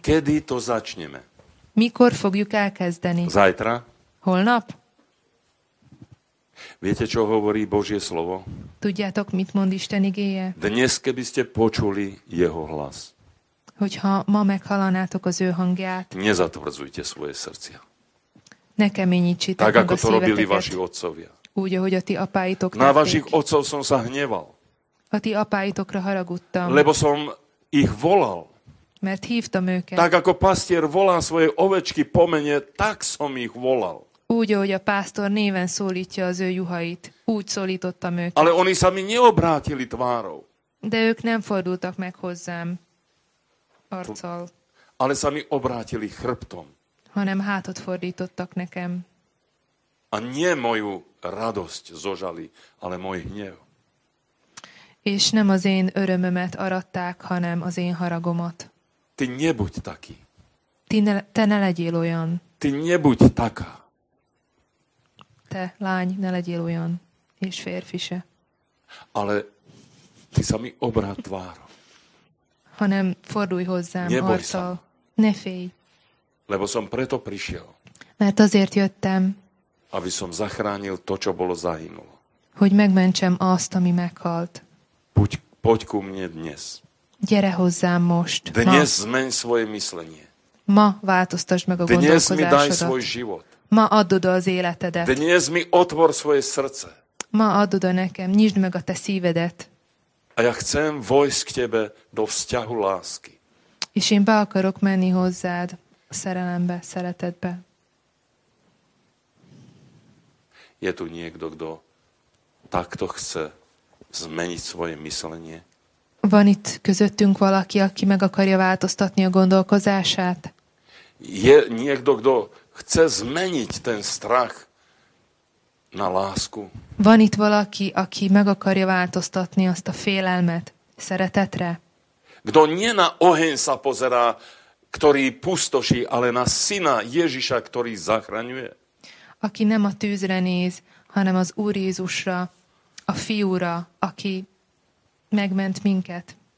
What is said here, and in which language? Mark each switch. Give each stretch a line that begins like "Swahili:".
Slovak: Kedy to začneme?
Hungarian: Mikor fogjuk elkezdeni?
Slovak: Zajtra?
Hungarian: Holnap?
Slovak: Viete, čo hovorí Božie slovo?
Hungarian: Tudjátok, mit mond Isten igéje?
Slovak: Dnes, keby ste počuli jeho hlas.
Hungarian: Hogyha ma meghallanátok az ő hangját.
Slovak: Nezatvrdzujte svoje srdcia.
Hungarian: Ne keményítsitek meg a szíveteket.
Slovak: Tak, ako to robili vaši otcovia.
Hungarian: Úgy, ahogy a ti apáitok tették.
Slovak: Na vašich otcov som sa hneval.
Hungarian: A ti apáitokra haragudtam.
Slovak: Lebo som ich volal.
Hungarian: Mert hívtam őket.
Slovak: Tak, ako pastier volá svoje ovečky po mene, tak som ich volal.
Hungarian: Úgy, ahogy a pásztor néven szólítja az ő juhait. Úgy szólítottam őket.
Slovak: Ale oni sa mi neobrátili tvárov.
Hungarian: De ők nem fordultak meg hozzám. Arccal.
Slovak: Ale sa mi obrátili chrbtom.
Hungarian: Hanem hátot fordítottak nekem.
Slovak: A nie moju radosť zožali, ale môj hnev.
Hungarian: És nem az én örömömet aratták, hanem az én haragomat.
Slovak: Ty nebuď taký.
Hungarian: Te ne legyél olyan.
Slovak: Ty nebuď taká.
Hungarian: Te, lány, ne legyél olyan. És férfi se.
Slovak: Ale ty sa mi obrát tvárom.
Hungarian: Hanem fordulj hozzám arccal. Ne félj.
Slovak: Lebo som preto prišiel.
Hungarian: Mert azért jöttem.
Slovak: Aby som zachránil to, čo bolo zahynulo.
Hungarian: Hogy megmentsem azt, ami meghalt.
Slovak: Poď ku mne dnes.
Hungarian: Gyere hozzám most.
Slovak: Dnes zmeň svoje myslenie.
Hungarian: Ma változtasd meg a gondolkozásodat.
Slovak: Dnes mi daj svoj život.
Hungarian: Ma add oda az életedet.
Slovak: Dnes mi otvor svoje srdce.
Hungarian: Ma add oda nekem. Nyisd meg a te szívedet.
Slovak: A ja chcem vojsť k tebe do vzťahu lásky.
Hungarian: És én be akarok menni hozzád szerelembe, szeretetbe.
Slovak: Je tu niekto, kto takto chce zmeniť svoje myslenie?
Hungarian: Van itt közöttünk valaki, aki meg akarja változtatni a gondolkozását?
Slovak: Je niekto, kto chce zmeniť ten strach na lásku?
Hungarian: Van itt valaki, aki meg akarja változtatni azt a félelmet szeretetre?
Slovak: Kto nie na oheň sa pozerá, ktorý pustoší, ale na syna Ježiša, ktorý zachraňuje?
Hungarian: Aki nem a tűzre néz, hanem az Úr Jézusra, a fiúra, aki megment minket.